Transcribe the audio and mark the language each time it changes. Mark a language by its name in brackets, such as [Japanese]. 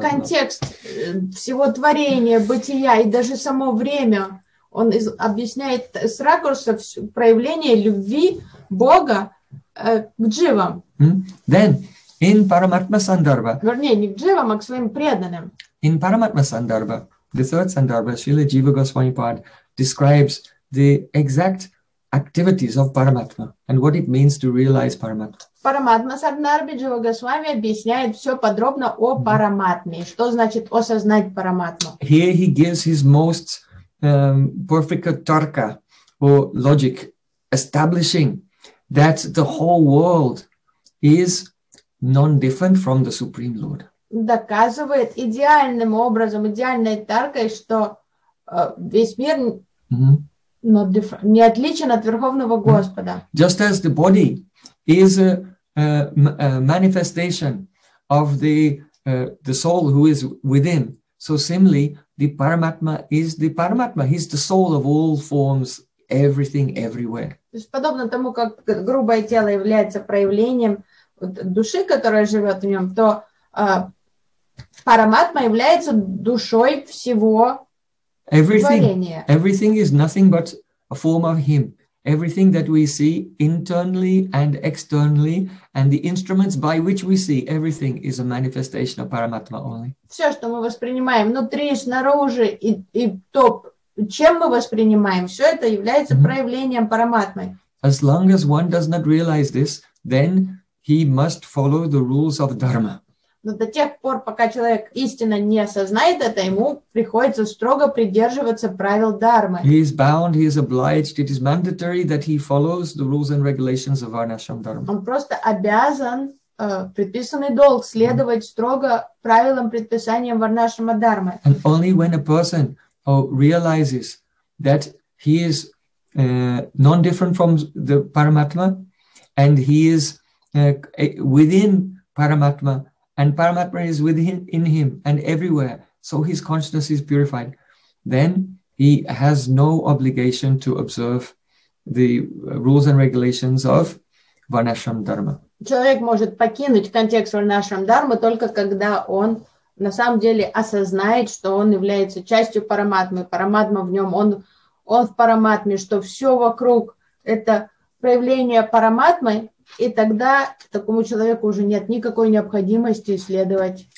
[Russian] Контекст всего творения, бытия и даже само время. Он объясняет с ракурса проявление любви Бога к Дживам. [English] Then, in Paramatma Sandarbha, [Russian] вернее, не к Дживам, а к своим преданным. [English] In Paramatma Sandarbha, the third Sandarbha, Srila Jiva Goswami Pad describes the exact activities of Paramatma and what it means to realize Paramatma. [Russian] Paramatma Sandarbha Jiva Goswami объясняет все подробно о Параматме, что значит осознать Параматму. [English] Here he gives his most perfect tarka or logic, establishing that the whole world is non-different from the Supreme Lord. [Russian] Доказывает идеальным образом, идеальной таркой, что весь мир не отличен от Верховного Господа. [English] Just as the body is a manifestation of the soul who is within, so similarly, the Paramatma is the Paramatma. He's the soul of all forms, everything, everywhere. [Russian] То есть подобно тому, как грубое тело является проявлением души, которая живет в нем, то Параматма является душой всего [English] everything, [Russian] творения. [English] Everything is nothing but a form of him. Everything that we see internally and externally, and the instruments by which we see everything, is a manifestation of Paramatma only. [Russian] Все, что мы воспринимаем внутри, снаружи и то, чем мы воспринимаем, все это является проявлением Параматмы. [English] As long as one does not realize this, then he must follow the rules of Dharma. [Russian] Но до тех пор, пока человек истинно не осознает это, ему приходится строго придерживаться правил Дармы. [English] He is bound, he is obliged, it is mandatory that he follows the rules and regulations of Varnashram Dharma. [Russian] Он просто обязан, предписанный долг, следовать строго правилам, предписаниям Варнашрама Дармы. [English] And only when a person realizes that he is non-different from the Paramatma, and he is within Paramatma, and Paramatma is within in him and everywhere, so his consciousness is purified, then he has no obligation to observe the rules and regulations of Varnashram Dharma. [Russian] Человек может покинуть контекст Варнашрам Дармы только когда он на самом деле осознает, что он является частью Параматмы, Параматма в нем, он в Параматме, что все вокруг это проявление Параматмы, и тогда такому человеку уже нет никакой необходимости следовать.